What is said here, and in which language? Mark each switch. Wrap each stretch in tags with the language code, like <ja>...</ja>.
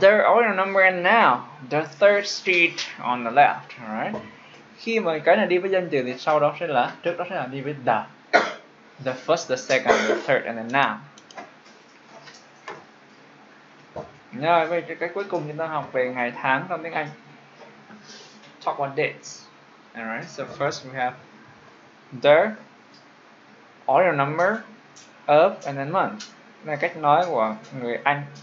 <en>Their order number and now the third street on the left. Alright.</en> <vi>Khi mà cái này đi với danh từ thì sau đó sẽ là trước đó sẽ là đi với the.</vi> <en>The first, the second, the third, and then now.</en> <vi>Rồi vậy cái cuối cùng chúng ta học về ngày tháng trong tiếng Anh.</vi> <en>Talk about dates. Alright. So first we have their order number of and then month.</en> <vi>Này cách nói của người Anh.</vi>